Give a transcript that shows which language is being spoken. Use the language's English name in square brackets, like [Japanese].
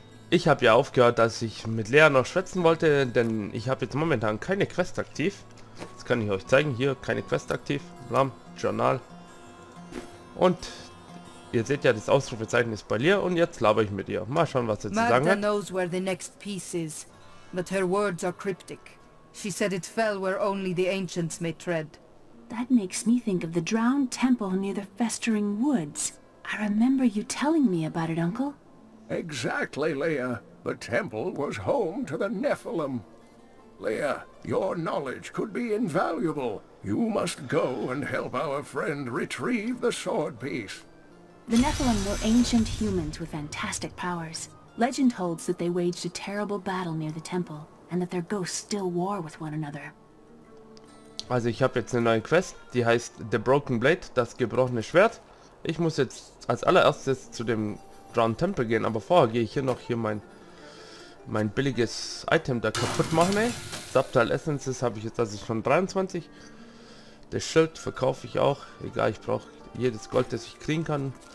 [German] Ich habe ja aufgehört, dass ich mit Lea noch schwätzen wollte, denn ich habe jetzt momentan keine Quest aktiv. Das kann ich euch zeigen, hier keine Quest aktiv. Blam, Journal. Und ihr seht ja, das Ausrufezeichen ist bei Lea und jetzt labere ich mit ihr. Mal schauen, was sie zu sagen hat. [English] Magda knows where the next piece is, but her words are cryptic. She said it fell where only the ancients may tread. That makes me think of the drowned temple near the festering woods. I remember you telling me about it, Uncle. Exactly, Lea. The temple was home to the Nephilim. Lea, your knowledge could be invaluable. You must go and help our friend retrieve the sword piece. The Nephilim were ancient humans with fantastic powers. Legend holds that they waged a terrible battle near the temple, and that their ghosts still war with one another. [German] Also ich habe jetzt eine neue Quest, die heißt The Broken Blade, das gebrochene Schwert. Ich muss jetzt als allererstes zu dem Drowned Temple gehen, aber vorher gehe ich hier noch hier mein billiges Item da kaputt machen. Subtile Essences habe ich jetzt also schon 23. Das Schild verkaufe ich auch, egal, ich brauche jedes Gold, das ich kriegen kann.